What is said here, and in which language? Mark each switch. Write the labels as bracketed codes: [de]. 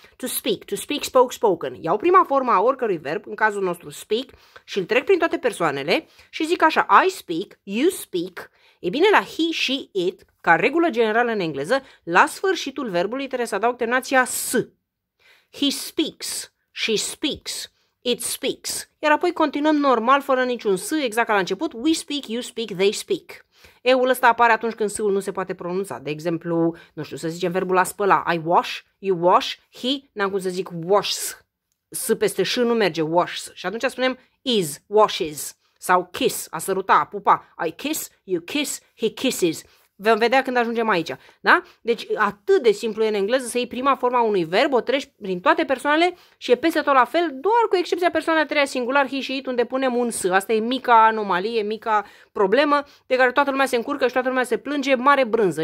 [en] To speak, spoke, spoken. [ro] Iau prima formă a oricărui verb, în cazul nostru speak, și îl trec prin toate persoanele și zic așa, [en] I speak, you speak. [ro] E bine, la he, she, it, ca regulă generală în engleză, la sfârșitul verbului trebuie să adaug terminația s. [en] He speaks, she speaks, it speaks. [ro] Iar apoi continuăm normal, fără niciun s, exact ca la început, [en] we speak, you speak, they speak. [ro] E-ul ăsta apare atunci când s-ul nu se poate pronunța. De exemplu, nu știu, să zicem verbul a spăla. [en] I wash, you wash, he, [ro] n-am cum să zic washs. S peste ș nu merge, washs. Și atunci spunem is, washes. Sau kiss, a săruta, a pupa. [en] I kiss, you kiss, he kisses. [ro] Vom vedea când ajungem aici. Da? Deci atât de simplu e în engleză să iei prima forma unui verb, o treci prin toate persoanele și e peste tot la fel, doar cu excepția persoanei a treia singular, he și it, unde punem un s. Asta e mica anomalie, mica problemă de care toată lumea se încurcă și toată lumea se plânge, mare brânză.